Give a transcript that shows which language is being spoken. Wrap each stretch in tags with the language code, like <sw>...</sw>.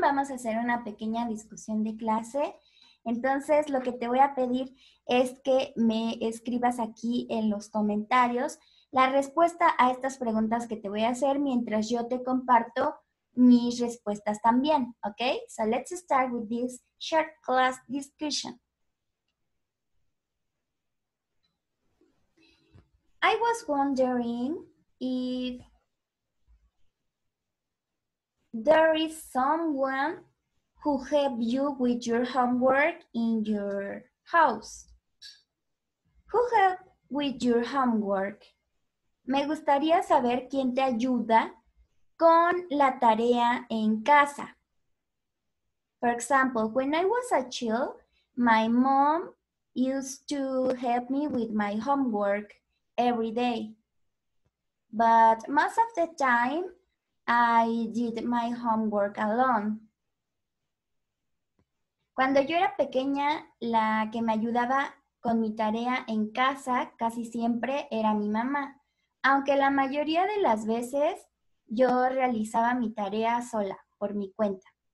<es>Vamos a hacer una pequeña discusión de clase. Entonces, lo que te voy a pedir es que me escribas aquí en los comentarios la respuesta a estas preguntas que te voy a hacer mientras yo te comparto mis respuestas también, ¿ok?</es> <en>So let's start with this short class discussion. I was wondering if there is someone who helped you with your homework in your house. Who helped with your homework?</en> <es>Me gustaría saber quién te ayuda con la tarea en casa.</es> <en>For example, when I was a child, my mom used to help me with my homework every day. But most of the time, I did my homework alone.</en> <es>Cuando yo era pequeña, la que me ayudaba con mi tarea en casa casi siempre era mi mamá. Aunque la mayoría de las veces yo realizaba mi tarea sola, por mi cuenta.</es>